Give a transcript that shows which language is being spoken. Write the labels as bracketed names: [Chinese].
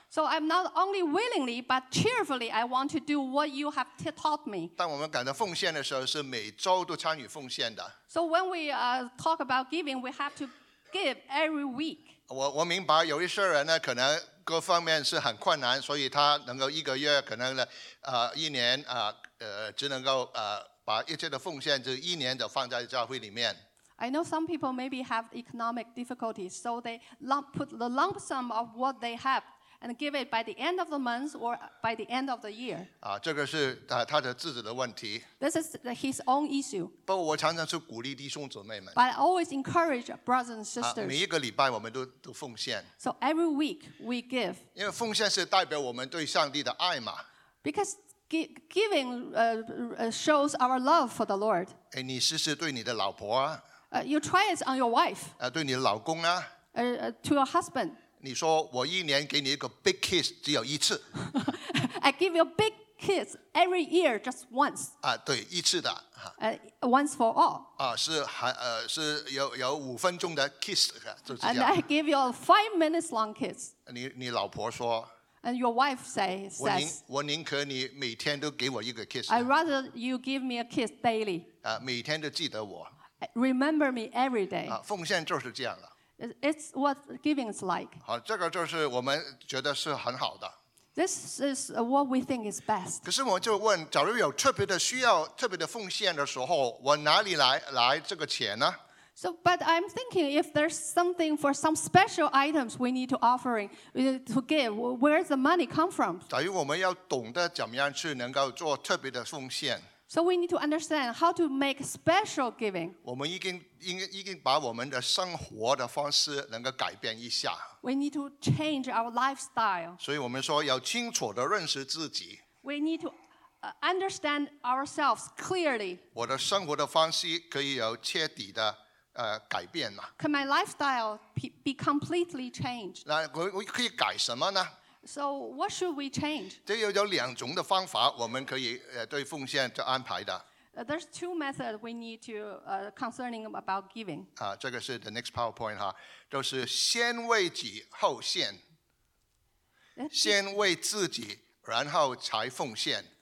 [English] So I'm not only willingly, but cheerfully, I want to do what you have taught me. [Chinese] 当我们讲到奉献的时候，是每周都参与奉献的。 [English] So when we talk about giving, we have to give every week. [Chinese] 我明白有一些人呢，可能各方面是很困难，所以他能够一个月可能呢，一年只能够把一切的奉献就一年的放在教会里面。 [English] I know some people maybe have economic difficulties, so they put the lump sum of what they have and give it by the end of the month or by the end of the year. [Chinese] 啊，这个是他的自己的问题。 [English] This is his own issue. [Chinese] 不过我常常是鼓励弟兄姊妹们。 [English] But I always encourage brothers and sisters. [Chinese] 啊，每一个礼拜我们都奉献。 [English] So every week we give. [Chinese] 因为奉献是代表我们对上帝的爱嘛。 [English] Because giving shows our love for the Lord. [Chinese] 哎，你试试对你的老婆啊。 [English] You try it on your wife. [Chinese] 啊，对你的老公啊。 [English] To your husband. [Chinese] 你说我一年给你一个 [English] big kiss [Chinese] 只有一次。 [English] I give you a big kiss every year just once. [Chinese] 啊，对，一次的。 [English] Once for all. [Chinese] 啊，是还是有五分钟的 kiss 就是这样。 [English] And I give you a 5 minutes long kiss. [Chinese] 你老婆说。 [English] And your wife says, [Chinese] 我宁可你每天都给我一个 kiss。 [English] I'd rather you give me a kiss daily. [Chinese] 啊，每天都记得我。 [English] Remember me every day. [Chinese] 啊，奉献就是这样了。 [English] It's what giving is like. [Chinese] 好，这个就是我们觉得是很好的。 [English] This is what we think is best. [Chinese] 可是我就问，假如有特别的需要、特别的奉献的时候，我哪里来这个钱呢？ [English] So, but I'm thinking if there's something for some special items we need to offering to give, where's the money come from? [Chinese] 假如我们要懂得怎么样去能够做特别的奉献。 [English] So we need to understand how to make special giving. [Chinese] 我们已经把我们的生活的方式能够改变一下。 [English] We need to change our lifestyle. [Chinese] 所以我们说要清楚地认识自己。 [English] We need to understand ourselves clearly. [Chinese] 我的生活的方式可以有彻底的改变嘛。 [English] Can my lifestyle be completely changed? [Chinese] 那我可以改什么呢？ [English] So what should we change? [Chinese] 这有两种的方法我们可以对奉献就安排的。 [English] There's two methods we need to concerning about giving. [Chinese] 啊，这个是 [English] the next PowerPoint [Chinese] 哈，就是先为己后献，先为自己然后才奉献。